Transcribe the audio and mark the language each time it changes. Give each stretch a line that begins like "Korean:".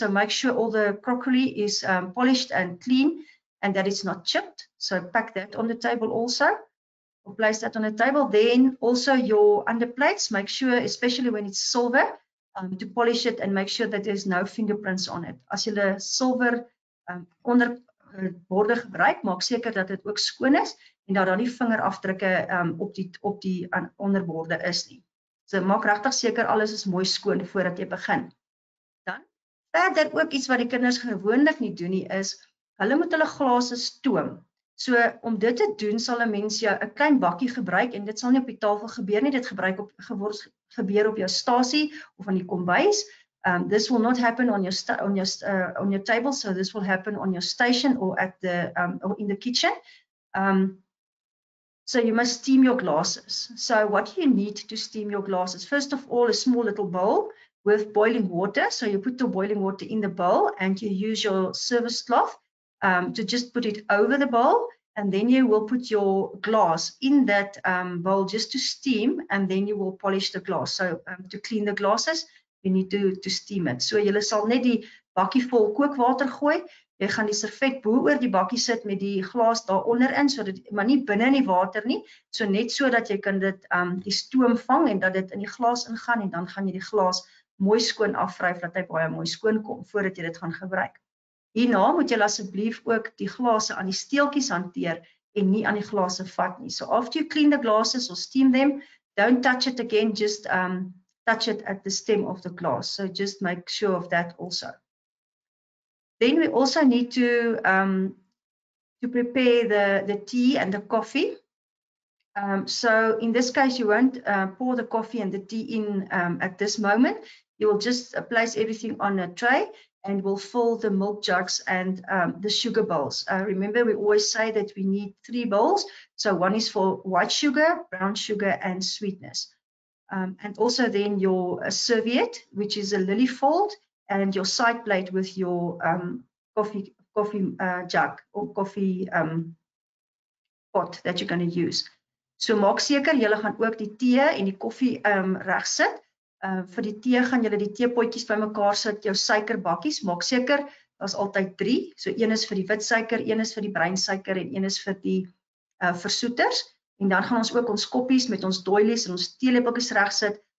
English: So make sure all the crockery is polished and clean and that it's not chipped. So pack that on the table also. Or place that on the table. Then also your underplates, make sure especially when it's silver to polish it and make sure that there's no fingerprints on it.
Afrikaans: As jy 'n silwer onderborde gebruik, maak seker dat dit ook skoon is en dat daar nie vingerafdrukke op die onderborde is nie. So maak regtig seker alles is mooi skoon voordat jy begin. Dan verder ook iets wat die kinders gewoonlik nie doen nie is hulle moet hulle glase stoom. So om dit te doen sal 'n mens jou 'n klein bakkie gebruik en dit sal nie op die tafel gebeur nie, dit gebruik op geword gebeur op jou stasie of aan die kombuis.
English: This will not happen on your table, so this will happen on your station or at the or in the kitchen. So you must steam your glasses. So what you need to steam your glasses? First of all, a small little bowl with boiling water. So you put the boiling water in the bowl and you use your service cloth to just put it over the bowl, and then you will put your glass in that bowl just to steam, and then you will polish the glass. So to clean the glasses, you need to steam it.
Afrikaans: So jy sal net die bakkie vol kookwater gooi. Jy gaan die servet bo oor die bakkie sit met die glas daaronder in, sodat maar nie binne in die water nie, so net sodat jy kan dit die stoom vang en dat dit in die glas ingaan, en dan gaan jy die glas mooi skoon afvryf dat hy baie mooi skoon kom voordat jy dit gaan gebruik. Hierna moet jy asseblief ook die glase aan die steeltjies hanteer en nie aan die glase vat nie.
English: So after you clean the glasses or steam them, don't touch it again, just touch it at the stem of the glass. So just make sure of that also. Then we also need to to prepare the tea and the coffee. So in this case, you won't pour the coffee and the tea in at this moment. You will just place everything on a tray and we'll fill the milk jugs and the sugar bowls. Remember, we always say that we need three bowls. So one is for white sugar, brown sugar, and sweetness. And also then your serviette, which is a lily fold, and your side plate with your coffee jug or coffee pot that you're going to use.
Afrikaans: So maak seker julle gaan ook die tee en die koffie reg sit. Vir die tee gaan julle die teepotjies bymekaar sit, jou suikerbakkies. Maak seker daar's altyd 3. So een is vir die wit suiker, een is vir die bruin suiker en een is vir die versoeters. En dan gaan ons ook ons koppies met ons doilies en ons teelepeltjies reg sit.